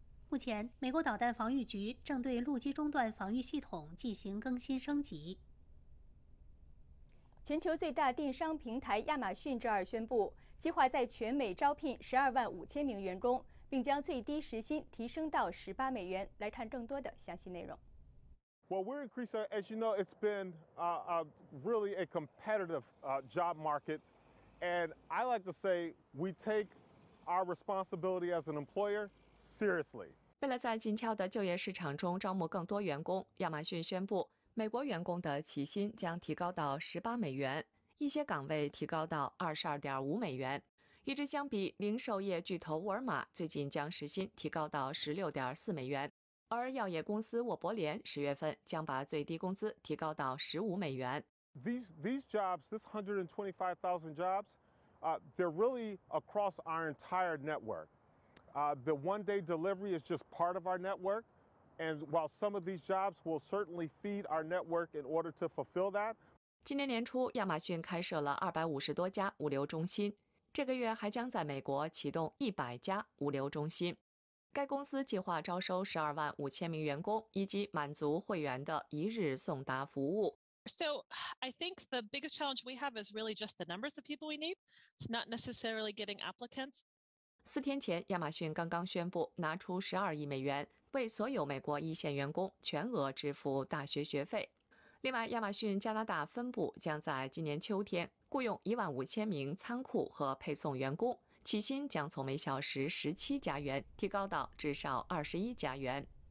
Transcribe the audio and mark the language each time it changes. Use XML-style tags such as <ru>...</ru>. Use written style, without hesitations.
<zh>目前美国导弹防御局正对陆基中段防御系统进行更新升级。全球最大电商平台亚马逊周二宣布，计划在全美招聘125,000名员工，并将最低时薪提升到$18。来看更多的详细内容。</zh> <en>Well, we're increasing. As you know, it's been really a competitive job market, and I like to say we take our responsibility as an employer seriously.</en> <zh>为了在紧俏的就业市场中招募更多员工，亚马逊宣布，美国员工的起薪将提高到$18，一些岗位提高到$22.5。与之相比，零售业巨头沃尔玛最近将时薪提高到$16.4，而药业公司沃伯联10月份将把最低工资提高到$15。</zh> <en>These jobs, this 125,000 jobs, they're really across our entire network. The one-day delivery is just part of our network, and while some of these jobs will certainly feed our network in order to fulfill that.</en> <zh>今年年初，亚马逊开设了250多家物流中心。这个月还将在美国启动100家物流中心。该公司计划招收125,000名员工，以及满足会员的一日送达服务。</zh> <en>So I think the biggest challenge we have is really just the numbers of people we need. It's not necessarily getting applicants.</en> <zh>4天前，亚马逊刚刚宣布拿出$12亿为所有美国一线员工全额支付大学学费。另外，亚马逊加拿大分部将在今年秋天雇佣15,000名仓库和配送员工，起薪将从每小时$17提高到至少$21。</zh>